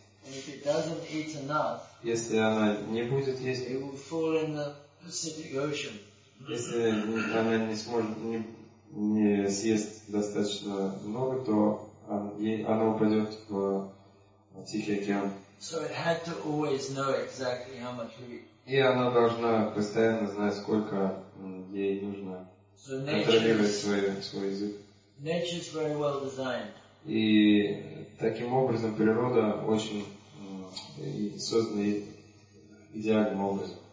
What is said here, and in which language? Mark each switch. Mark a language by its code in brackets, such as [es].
[en] And if it doesn't eat enough, [ru] если она не будет есть, [en] it will fall in the Pacific Ocean. [ru] Если она не сможет не съест достаточно много, то она упадет в Тихий океан. [en] So it had to always know exactly how much we eat. [ru] И она должна постоянно знать, сколько ей нужно контролировать свой язык. [en] Nature is very well designed. [ru] И таким образом природа очень создана идеальным образом.